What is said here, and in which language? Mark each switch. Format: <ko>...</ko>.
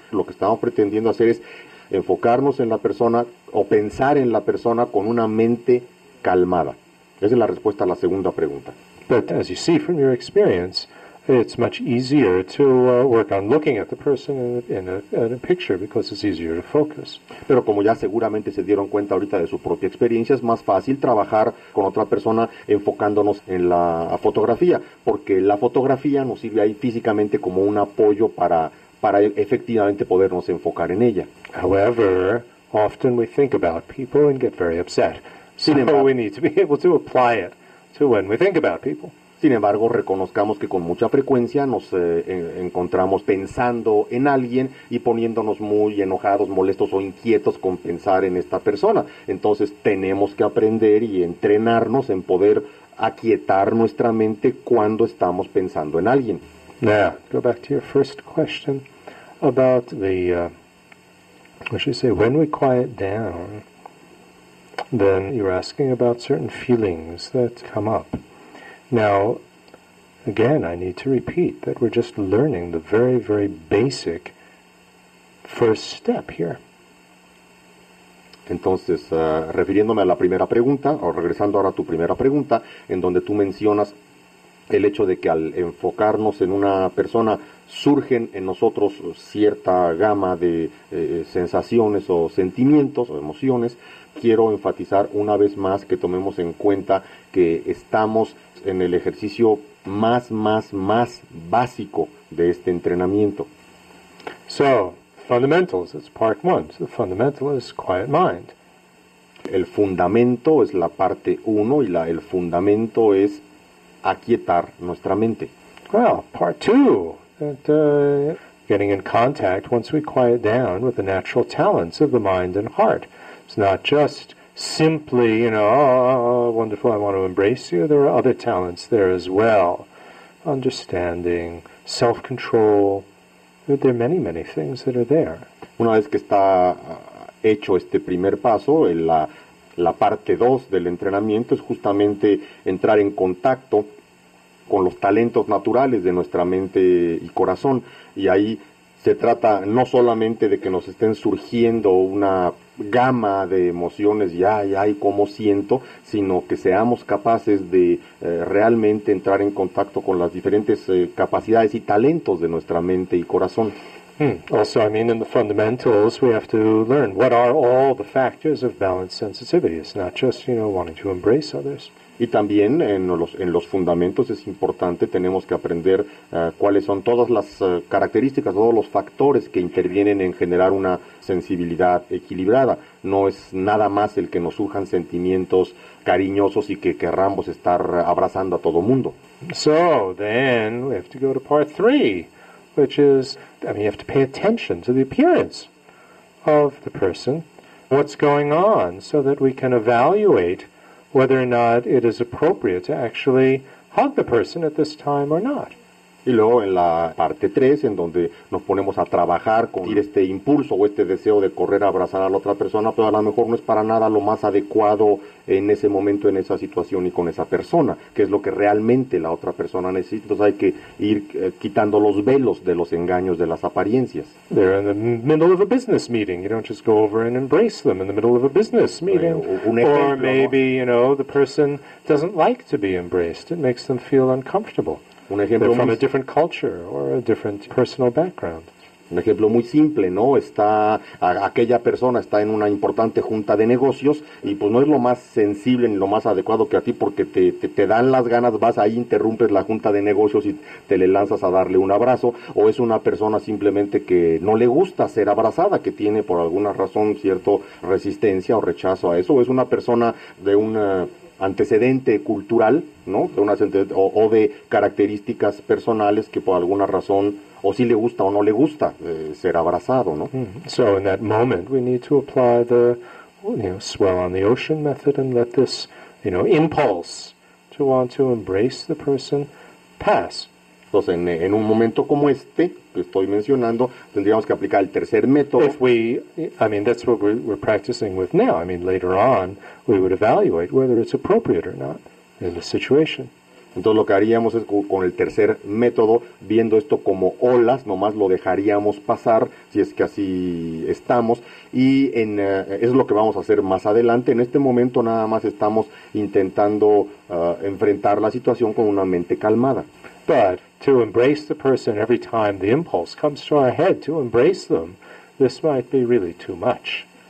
<es>Lo que estamos pretendiendo hacer es enfocarnos en la persona o pensar en la persona con una mente calmada. Esa es la respuesta a la segunda pregunta.</es> <en>But as you see from your experience, it's much easier to work on looking at the person in a picture because it's easier to focus.</en> <es>Pero como ya seguramente se dieron cuenta ahorita de su propia experiencia, es más fácil trabajar con otra persona enfocándonos en la fotografía, porque la fotografía nos sirve ahí físicamente como un apoyo para efectivamente podernos enfocar en ella.</es> <en>However, often we think about people and get very upset. So we need to be able to apply it to when we think about people.</en> <es>Sin embargo, reconozcamos que con mucha frecuencia nos encontramos pensando en alguien y poniéndonos muy enojados, molestos o inquietos con pensar en esta persona. Entonces, tenemos que aprender y entrenarnos en poder aquietar nuestra mente cuando estamos pensando en alguien.</es> <en>Now, go back to your first question about the, what should I say, when we quiet down, then you're asking about certain feelings that come up. Now, again, I need to repeat that we're just learning the very, very basic first step here.</en> <es>Entonces, refiriéndome a la primera pregunta, o regresando ahora a tu primera pregunta, en donde tú mencionas el hecho de que al enfocarnos en una persona surgen en nosotros cierta gama de sensaciones o sentimientos o emociones, quiero enfatizar una vez más que tomemos en cuenta que estamos en el ejercicio más básico de este entrenamiento.</es> <en>So, fundamentals, it's part one. So the fundamental is quiet mind.</en> <es>El fundamento es la parte uno y el fundamento es aquietar nuestra mente.</es> <en>Well, part two, that, getting in contact once we quiet down with the natural talents of the mind and heart. It's not just simply, you know, oh, wonderful, I want to embrace you. There are other talents there as well. Understanding, self-control. There are many, many things that are there.</en> <es>Una vez que está hecho este primer paso, la parte dos del entrenamiento es justamente entrar en contacto con los talentos naturales de nuestra mente y corazón. Y ahí se trata no solamente de que nos estén surgiendo una gama de emociones, ya, ya, y cómo siento, sino que seamos capaces de realmente entrar en contacto con las diferentes capacidades y talentos de nuestra mente y corazón.</es> <en>Also, I mean, in the fundamentals, we have to learn what are all the factors of balanced sensitivity. It's not just, you know, wanting to embrace others.</en> <es>Y también en los fundamentos es importante, tenemos que aprender cuáles son todas las características, todos los factores que intervienen en generar una sensibilidad equilibrada. No es nada más el que nos surjan sentimientos cariñosos y que querramos estar abrazando a todo mundo.</es> <en>So, then we have to go to part three, which is, I mean, you have to pay attention to the appearance of the person, what's going on, so that we can evaluate whether or not it is appropriate to actually hug the person at this time or not.</en> <es>Y luego en la parte 3, en donde nos ponemos a trabajar con este impulso o este deseo de correr a abrazar a la otra persona, pero a lo mejor no es para nada lo más adecuado en ese momento, en esa situación y con esa persona, que es lo que realmente la otra persona necesita. Entonces hay que ir quitando los velos de los engaños de las apariencias.</es> <en>They're in the middle of a business meeting. You don't just go over and embrace them in the middle of a business meeting. Or maybe, you know, the person doesn't like to be embraced. It makes them feel uncomfortable. They're from a different culture or a different personal background.</en> <es>Un ejemplo muy simple, ¿no? Aquella persona está en una importante junta de negocios y pues no es lo más sensible ni lo más adecuado que a ti porque te dan las ganas, vas ahí, interrumpes la junta de negocios y te le lanzas a darle un abrazo. O es una persona simplemente que no le gusta ser abrazada, que tiene por alguna razón cierto resistencia o rechazo a eso. O es una persona de una antecedente cultural, ¿no? O de características personales que por alguna razón o si le gusta o no le gusta ser abrazado, ¿no?</es> <en>So in that moment we need to apply the, you know, swell on the ocean method and let this, you know, impulse to want to embrace the person pass.</en> <es>Entonces en un momento como este que estoy mencionando tendríamos que aplicar el tercer método.</es> <en>That's what we're practicing with now. I mean, later on we would evaluate whether it's appropriate or not in the situation.</en> <es>Entonces lo que haríamos es con el tercer método, viendo esto como olas, nomás lo dejaríamos pasar, si es que así estamos, y es lo que vamos a hacer más adelante. En este momento nada más estamos intentando enfrentar la situación con una mente calmada.</es> <en>But to embrace the person every time the impulse comes to our head to embrace them, this might be really too much.</en>